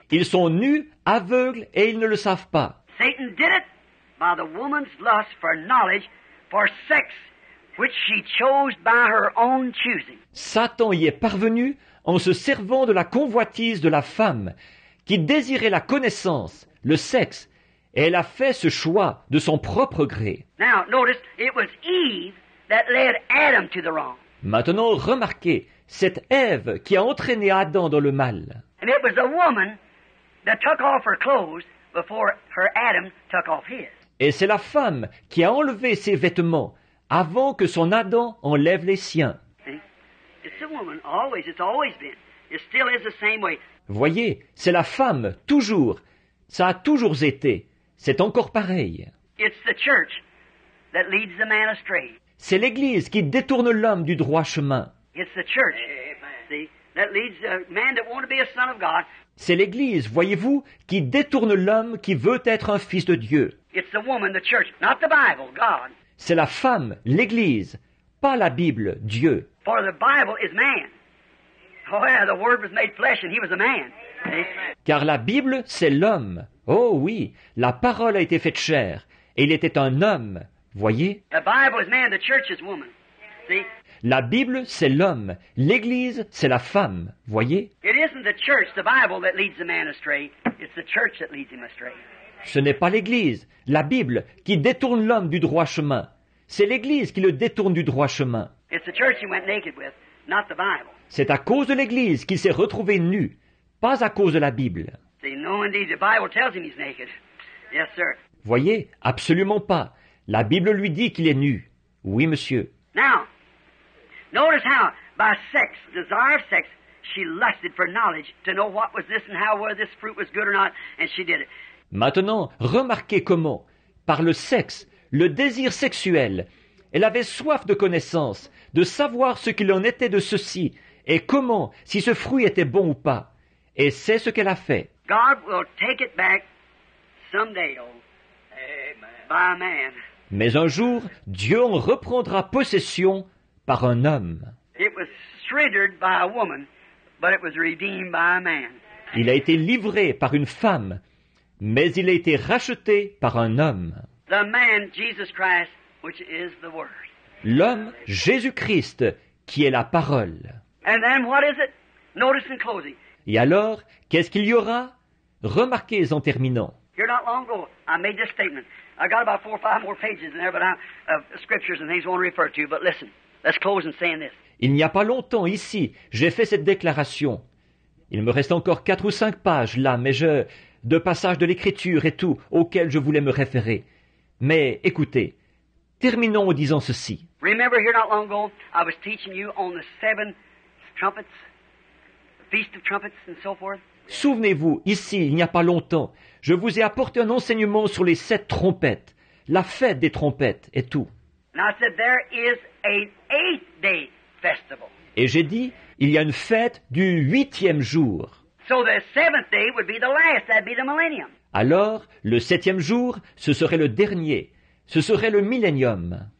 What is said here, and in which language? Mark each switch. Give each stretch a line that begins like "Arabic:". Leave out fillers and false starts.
French: Ils sont nus, aveugles, et ils ne le savent pas.
English: Satan did it by the woman's lust for knowledge, for sex, which she chose by her own choosing.
French: Satan y est parvenu en se servant de la convoitise de la femme, qui désirait la connaissance, le sexe, et elle a fait ce choix de son propre gré.
English: Now, notice, it was Eve that led Adam to the wrong.
French: Maintenant, remarquez, c'est Ève qui a entraîné Adam dans le mal.
English: And it was a woman that took off her clothes before her Adam took off his.
French: Et c'est la femme qui a enlevé ses vêtements avant que son Adam enlève les siens.
English: See? It's a woman, always, it's always been. It still is the same way.
French: Voyez, c'est la femme, toujours. Ça a toujours été. C'est encore pareil.
English: It's the church that leads the man astray.
French: C'est l'Église qui détourne l'homme du droit chemin.
English: It's the church, see, that leads a man that wants to be a son of God.
French: C'est l'Église, voyez-vous, qui détourne l'homme qui veut être un fils de Dieu.
English: It's the woman, the church, not the Bible, God.
French: C'est la femme, l'Église, pas la Bible, Dieu.
English: For the Bible is man. Oh yeah, the Word was made flesh and he was a man.
French: Car la Bible, c'est l'homme. Oh oui, la parole a été faite chair, et il était un homme, voyez.
English: The Bible is man, the church is woman. See?
French: La Bible, c'est l'homme. L'Église, c'est la femme, voyez.
English: It isn't the church, the Bible, that leads the man astray. It's the church that leads him astray.
French: Ce n'est pas l'Église, la Bible, qui détourne l'homme du droit chemin. C'est l'Église qui le détourne du droit chemin.
English: It's the church he went naked with, not the Bible.
French: C'est à cause de l'Église qu'il s'est retrouvé nu, pas à cause de la Bible.
English: See, no, indeed, the Bible tells him he's naked. Yes, sir.
French: Voyez, absolument pas. La Bible lui dit qu'il est nu. Oui, monsieur.
English: Now, notice how by sex, desire of sex, she lusted for knowledge to know what was this and how whether this fruit was good or not, and she did it.
French: Maintenant, remarquez comment, par le sexe, le désir sexuel, elle avait soif de connaissance, de savoir ce qu'il en était de ceci, et comment, si ce fruit était bon ou pas. Et c'est ce qu'elle a fait.
English: God will take it back someday, oh, by a man.
French: Mais un jour, Dieu en reprendra possession par un homme.
English: It was surrendered by a woman, but it was redeemed by a man.
French: Il a été livré par une femme, mais il a été racheté par un homme.
English: The man, Jesus Christ, which is the Word.
French: L'homme, Jésus-Christ, qui est la parole.
English: And then what is it? Notice in closing.
French: Et alors, qu'est-ce qu'il y aura? Remarquez en terminant.
English: Here not long ago, I made this statement. I got about four or five more pages in there, but I have scriptures and things I want to refer to. But listen, let's close in saying this.
French: Il n'y a pas longtemps ici, j'ai fait cette déclaration. Il me reste encore quatre ou cinq pages là, mais je... de passages de l'Écriture et tout, auxquels je voulais me référer. Mais écoutez, terminons en disant ceci.
English: Remember here not long ago, I was teaching you on the seven trumpets. Feast of trumpets and so forth.
French: Souvenez-vous, ici, il n'y a pas longtemps, je vous ai apporté un enseignement sur les sept trompettes, la fête des trompettes et tout.
English: And I said, there is an eighth-day festival.
French: Et j'ai dit, il y a une fête du huitième jour.
English: So the seventh day would be the last, that'd be the millennium.
French: Alors, le septième jour, ce serait le dernier, ce serait le millénium.